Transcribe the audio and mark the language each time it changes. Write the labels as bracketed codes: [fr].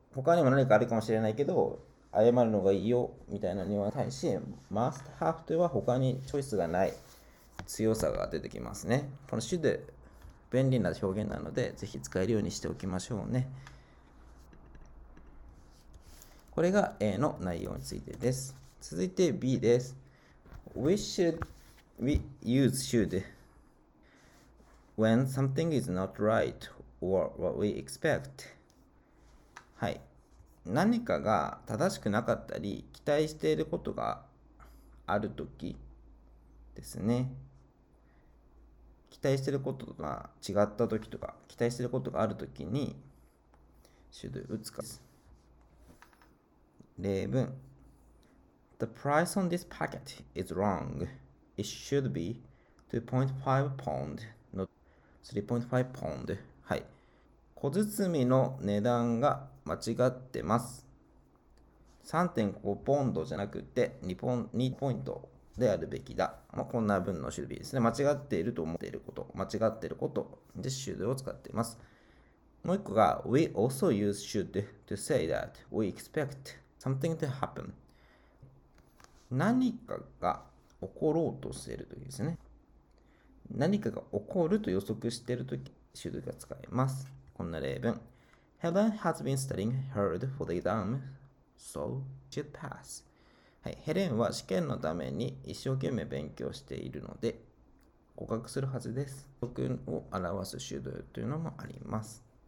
[ja] 他にも何かあるかもしれないけど、謝るのがいいよ。みたいなのには対し、 Must have to は他にチョイスがない。強さが出てきますね。この種で便利な表現なので、ぜひ使えるようにしておきましょうね。これが A の内容についてです。続いて B です。 [en] We should we use should when something is not right or what we expect。 [ja] はい、何かが正しくなかったり期待していることがあるときですね。期待していることが違ったときとか、期待していることがあるときに、should 打つかです。 [en] 例文、The price on this packet is wrong. It should be 2.5 pound, not 3.5 pound。 はい。 [ja] 小包の値段が間違ってます。 3.5ポンドじゃなくて2ポイントであるべきだ。まあ、こんな文の種類ですね。間違っていると思っていること、間違っていることで should を使っています。 [en] もう一個が、 We also use should to say that we expect something to happen。 [ja] 何かが起ころうとしているときですね。何かが起こると予測しているとき should が使えます。 [en] こんな例文、 Helen has been studying hard for the exam, so she should pass。 [ja] はい、ヘレンは試験のために一生懸命勉強しているので、合格するはずです。僕を表す手動というのもあります。